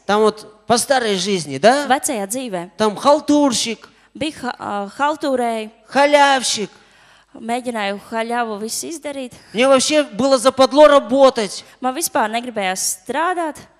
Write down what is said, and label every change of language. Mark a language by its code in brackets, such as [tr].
[ru] Там вот по старой жизни, да? [lv] Vecajā dzīvē. [ru] Там халтурщик. [lv] Bija халтурей. [ru] Халявщик. [lv] Mēģināju haļavu visu izdarīt. [ru] Мне вообще было западло работать. [lv] Man vispār negribējās strādāt.